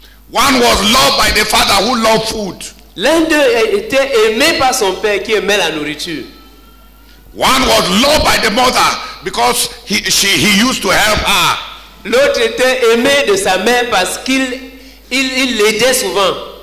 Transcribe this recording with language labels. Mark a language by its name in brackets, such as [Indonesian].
[English] One was loved by the father who loved food. [French] L'un d'eux était aimé par son père qui aimait la nourriture. [English] One was loved by the mother because he used to help her. [French] L'autre était aimé de sa mère parce qu'il il l'aidait souvent.